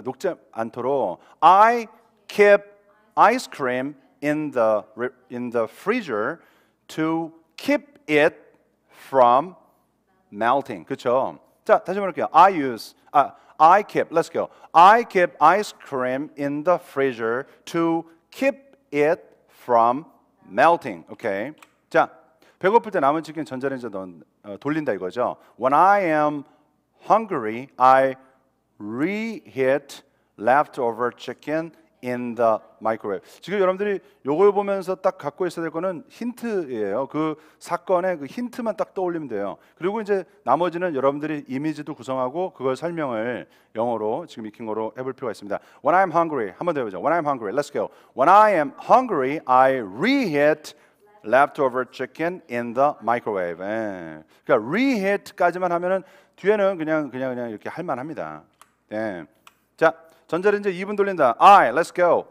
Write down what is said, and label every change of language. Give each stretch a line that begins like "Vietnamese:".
Korean: 녹지 않도록
English: I keep ice cream in the freezer to keep it from melting.
Korean: 그렇죠? 자, 다시 한번 볼게요.
English: Let's go. I keep ice cream in the freezer to keep it from melting. Okay.
Korean: 자, 배고플 때 남은 치킨 전자레인지에 돌린다 이거죠.
English: When I am hungry, I reheat leftover chicken in the microwave.
Korean: 지금 여러분들이 요걸 보면서 딱 갖고 있어야 될 거는 힌트예요. 그 사건의 그 힌트만 딱 떠올리면 돼요. 그리고 이제 나머지는 여러분들이 이미지도 구성하고 그걸 설명을 영어로 지금 익힌 거로 해볼 필요가 있습니다.
English: When I'm hungry,
Korean: 한번 더 해보죠.
English: When I'm hungry, let's go. When I am hungry, I reheat leftover chicken in the microwave.
Korean: 에이. 그러니까 reheat까지만 하면은 뒤에는 그냥 이렇게 할 만합니다. 네. 자. 전자레인지 2분 돌린다.
English: Let's go.